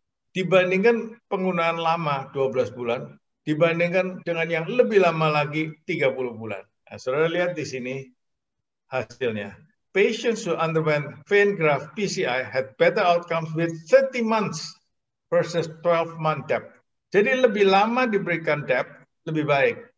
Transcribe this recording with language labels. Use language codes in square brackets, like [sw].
[id] Dibandingkan penggunaan lama 12 bulan, dibandingkan dengan yang lebih lama lagi 30 bulan. Nah, saudara lihat di sini hasilnya. [en] Patients who underwent vein graft PCI had better outcomes with 30 months versus 12 month DEPT. [id] Jadi lebih lama diberikan DEPT, lebih baik.